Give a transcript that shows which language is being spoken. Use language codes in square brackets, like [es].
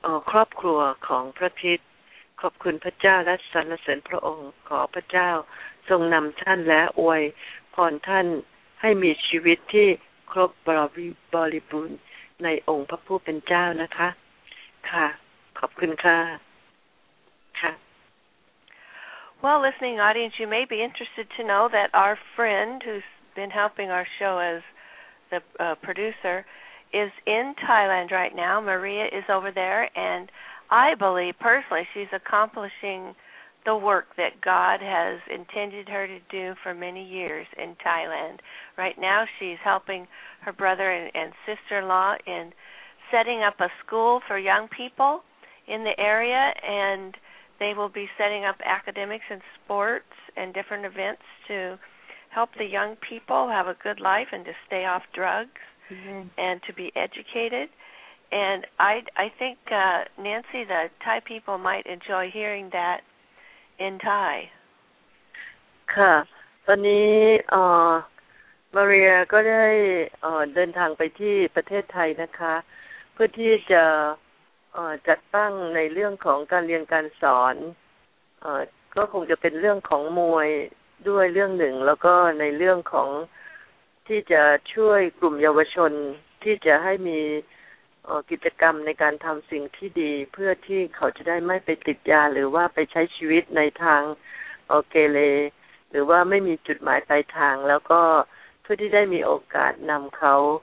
[th] ครอบครัวของพระคริสต์ขอบคุณพระเจ้าและสรรเสริญพระองค์ขอพระเจ้าทรงนำท่านและอวยพรท่านให้มีชีวิตที่ครบบริบูรณ์ในองค์พระผู้เป็นเจ้านะคะค่ะขอบคุณค่ะค่ะ [en] Well, listening audience, you may be interested to know that our friend who's been helping our show as the producer is in Thailand right now. Maria is over there, and I believe personally she's accomplishing the work that God has intended her to do for many years in Thailand. Right now she's helping her brother and sister-in-law in setting up a school for young people in the area, and they will be setting up academics and sports and different events to help the young people have a good life and to stay off drugs mm-hmm. and to be educated. And I think, Nancy, the Thai people might enjoy hearing that in Thai. [th] ค่ะ ตอนนี้ มาเรียก็ได้เดินทางไปที่ประเทศไทยนะคะเพื่อที่จะจัดตั้งในเรื่องของการเรียนการสอน ก็คงจะเป็นเรื่องของมวยด้วยเรื่องหนึ่งแล้วก็ในเรื่องของที่จะช่วยกลุ่มเยาวชนที่จะให้มีกิจกรรมในการทำสิ่งที่ดีเพื่อที่เขาจะได้ไม่ไปติดยาหรือว่าไปใช้ชีวิตในทางเกเรหรือว่าไม่มีจุดหมายปลายทางแล้วก็เพื่อที่ได้มีโอกาสนำเขา